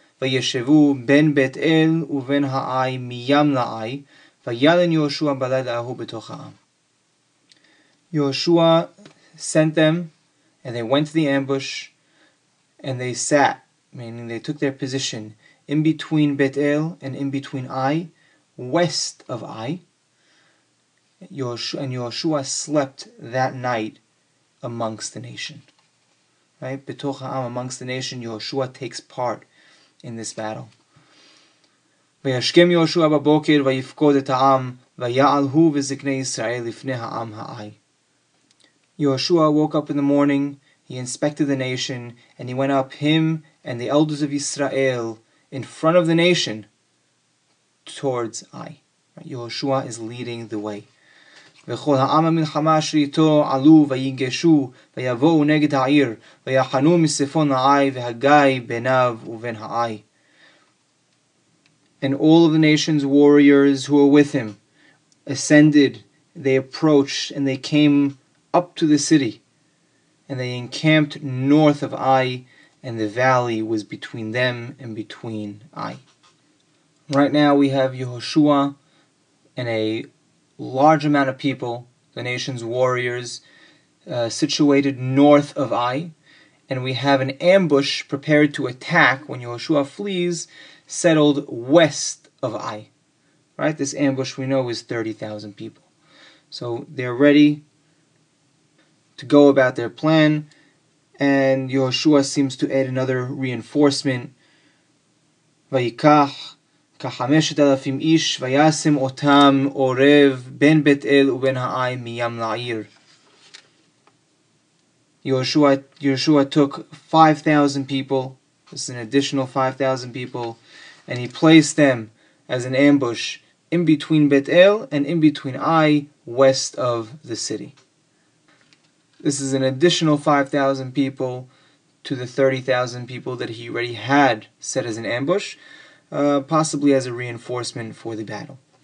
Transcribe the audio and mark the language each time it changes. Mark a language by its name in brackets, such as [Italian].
[Hebrew] וישבו בין בית אל ובין העי מים לעי, וילן יהושע בלילה ההוא בתוך העם. [English] יהושע sent them, and they went to the ambush, and they sat, meaning they took their position, in between בית אל and in between עי, west of עי. And יהושע slept that night amongst the nation. Right? [Hebrew] בתוך העם, [English] amongst the nation, יהושע takes part in this battle. [Hebrew] וישכם יהושע בבוקר ויפקוד את העם, ויעל הוא וזקני ישראל לפני העם העי. [English] יהושע woke up in the morning, he inspected the nation, and he went up, him and the elders of Israel, in front of the nation, towards עי. יהושע is leading the way. [Hebrew] וכל העם המלחמה אשר איתו עלו ויגשו ויבואו נגד העיר ויחנו מספון העי והגיא ביניו ובין העי. [English] And all of the nation's warriors who were with him ascended, they approached and they came up to the city and they encamped north of Ai, and the valley was between them and between Ai. Right now we have Yehoshua and a large amount of people, the nation's warriors, situated north of Ai, and we have an ambush prepared to attack when Yehoshua flees, settled west of Ai. Right? This ambush we know is 30,000 people. So they're ready to go about their plan, and Yehoshua seems to add another reinforcement. [Hebrew] Vayikach כ5,000 איש ויישם אותם עורב בין בית אל ובין העי מים לעיר. [English] יהושע took 5,000 people, this is an additional 5,000 people, and he placed them as an ambush in between בית אל and in between עי, west of the city. This is an additional 5,000 people to the 30,000 people that he already had set as an ambush, possibly as a reinforcement for the battle.